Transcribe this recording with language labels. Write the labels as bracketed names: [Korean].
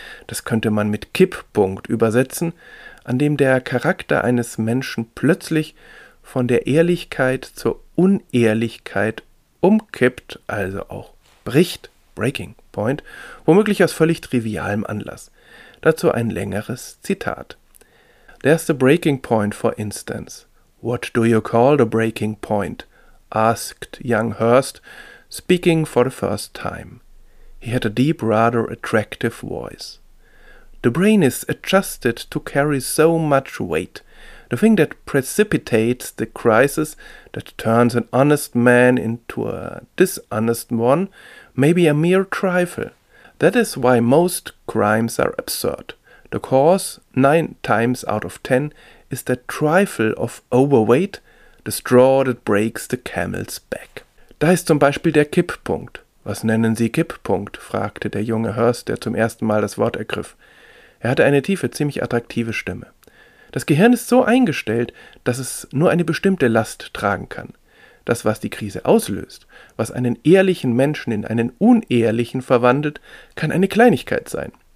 [German] Das könnte man mit Kipppunkt übersetzen, an dem der Charakter eines Menschen plötzlich von der Ehrlichkeit zur Unehrlichkeit umkippt, also auch bricht. Breaking Point, womöglich aus völlig trivialem Anlass. Dazu ein längeres Zitat. [English] There's the breaking point, for instance. What do you call the breaking point? Asked young Hurst, speaking for the first time. He had a deep, rather attractive voice. The brain is adjusted to carry so much weight. The thing that precipitates the crisis, that turns an honest man into a dishonest one, may be a mere trifle. That is why most crimes are absurd. The cause, 9 times out of 10, is that trifle of overweight, the straw that breaks the camel's back. [German] Da ist zum Beispiel der Kipppunkt. Was nennen Sie Kipppunkt? Fragte der junge Hurst, der zum ersten Mal das Wort ergriff. Er hatte eine tiefe, ziemlich attraktive Stimme. Das Gehirn ist so eingestellt, dass es nur eine bestimmte Last tragen kann. Das, was die Krise auslöst, was einen ehrlichen Menschen in einen unehrlichen verwandelt, kann eine Kleinigkeit sein.